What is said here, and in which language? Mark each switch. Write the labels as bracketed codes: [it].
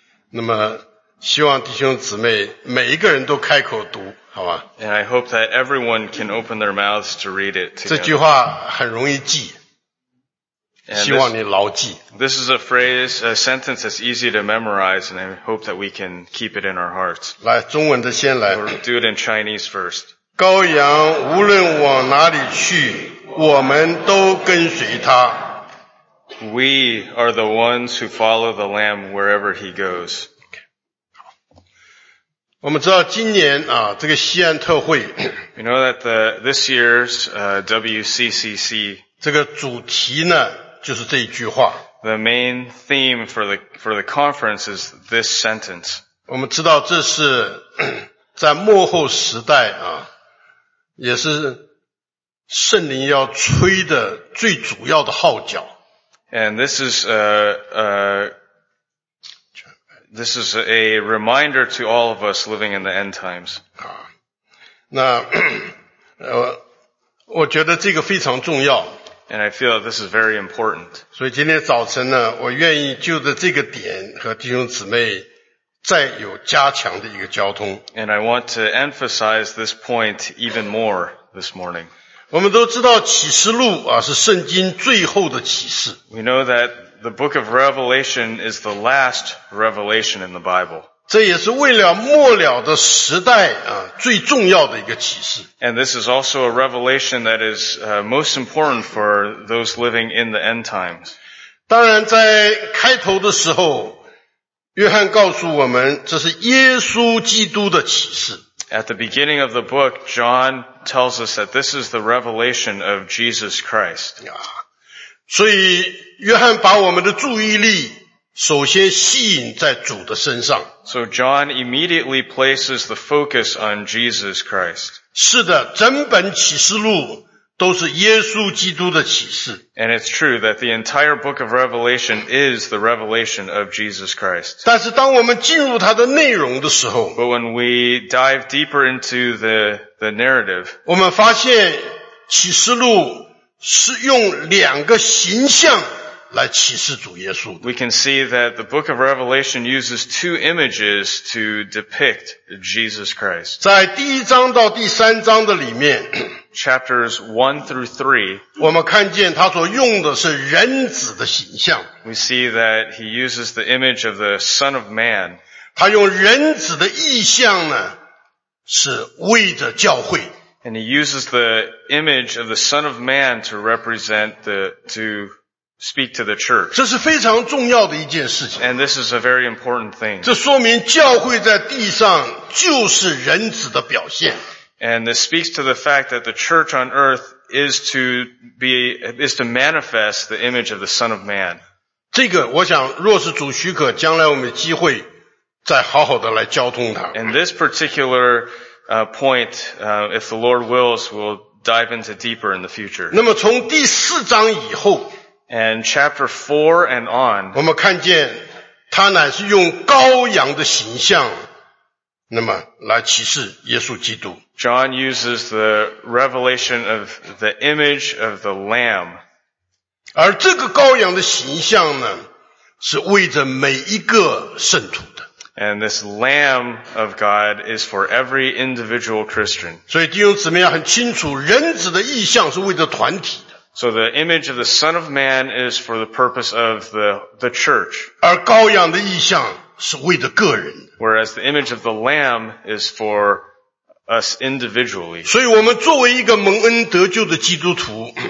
[zh] 那么希望弟兄姊妹每一个人都开口读好吧。 [en] And I hope that everyone can open their mouths to read it together. [zh] 这句话很容易记。希望你牢记。 [en] This is a phrase, a sentence that's easy to memorize and I hope that we can keep it in our hearts. [zh] 来中文的先来。 [en] We'll do it in Chinese first. [zh] 羔羊无论往哪里去我们都跟随他。 [en] We are the ones who follow the lamb wherever he goes. [zh] 我们知道今年啊这个西安特会。 [en] You know that this year's WCCC, [zh] 这个主题呢就是这一句话。 [en] The main theme for the conference is this sentence. [zh] 我们知道这是在末后时代啊也是圣灵要吹的最主要的号角。 [en] And this is a reminder to all of us living in the end times. [zh] 那我觉得这个非常重要。 [en] And I feel this is very important. [zh] 所以今天早晨呢我愿意就着这个点和弟兄姊妹再有加强的一个交通。 [en] And I want to emphasize this point even more this morning. [zh] 我们都知道启示录啊是圣经最后的启示。 [en] We know that the book of Revelation is the last revelation in the Bible. [zh] 这也是为了末了的时代啊最重要的一个启示。 [en] And this is also a revelation that is most important for those living in the end times. [zh] 当然在开头的时候约翰告诉我们这是耶稣基督的启示。 [en] At the beginning of the book, John tells us that this is the revelation of Jesus Christ. [zh] 所以约翰把我们的注意力首先吸引在主的身上。 [en] So John immediately places the focus on Jesus Christ. [zh] 是的整本启示录都是耶稣基督的启示。 [en] And it's true that the entire book of Revelation is the revelation of Jesus Christ. [zh] 但是当我们进入它的内容的时候 [en] But when we dive deeper into the narrative, [zh] 我们发现启示录是用两个形象来启示主耶稣的。 [en] We can see that the book of Revelation uses two images to depict Jesus Christ. [zh] 在第一章到第三章的里面 [en] Chapters 1 through 3, [zh] 我们看见他所用的是人子的形象。 [en] We see that he uses the image of the Son of Man. [zh] 他用人子的意象呢，是为着教会。 [en] And he uses the image of the Son of Man to represent the, to speak to the church. [zh] 这是非常重要的一件事情。 [en] And this is a very important thing. [zh] 这说明教会在地上就是人子的表现。 [en] And this speaks to the fact that the church on earth is to manifest the image of the Son of Man. [zh] 这个我想若是主许可将来我们有机会再好好的来交通它。 [en] And this particular point, if the Lord wills, we'll dive into deeper in the future. [zh] 那么从第四章以后 [en] And chapter 4 and on, [zh] 我们看见他乃是用羔羊的形象那么来启示耶稣基督。 [en] John uses the revelation of the image of the lamb. [zh] 而这个羔羊的形象呢是为着每一个圣徒的。 [en] And this lamb of God is for every individual Christian. [zh] 所以弟兄姊妹要很清楚人子的意象是为着团体的。 [en] So the image of the Son of Man is for the purpose of the church. [zh] 而羔羊的意象是为了个人。 [en] Whereas the image of the Lamb is for us individually. [zh] 所以我们作为一个蒙恩得救的基督徒